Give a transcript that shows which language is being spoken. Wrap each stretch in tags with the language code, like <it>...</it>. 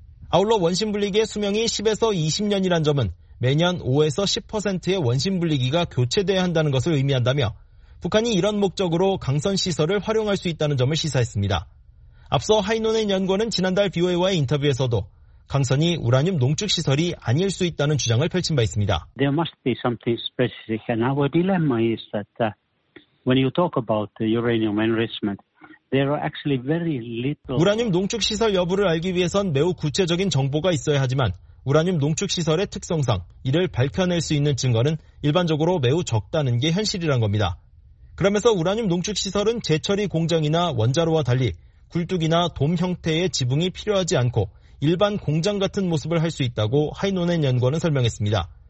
<ko>아울러 원심분리기의 수명이 10에서 20년이란 점은 매년 5에서 10%의 원심분리기가 교체돼야 한다는 것을 의미한다며 북한이 이런 목적으로 강선 시설을 활용할 수 있다는 점을 시사했습니다. 앞서 하이노넨 연구원은 지난달 BOA와의 인터뷰에서도 강선이 우라늄 농축 시설이 아닐 수 있다는 주장을 펼친 바 있습니다.</ko> <en>There must be something specific, and our dilemma is that when you talk about uranium enrichment, there are actually very little.</en> <ko>우라늄 농축 시설 여부를 알기 위해선 매우 구체적인 정보가 있어야 하지만 우라늄 농축 시설의 특성상 이를 밝혀낼 수 있는 증거는 일반적으로 매우 적다는 게 현실이란 겁니다. 그러면서 우라늄 농축 시설은 재처리 공장이나 원자로와 달리 굴뚝이나 돔 형태의 지붕이 필요하지 않고 일반 공장 같은 모습을 할 수 있다고 하이노넨 연구원은 설명했습니다.</ko>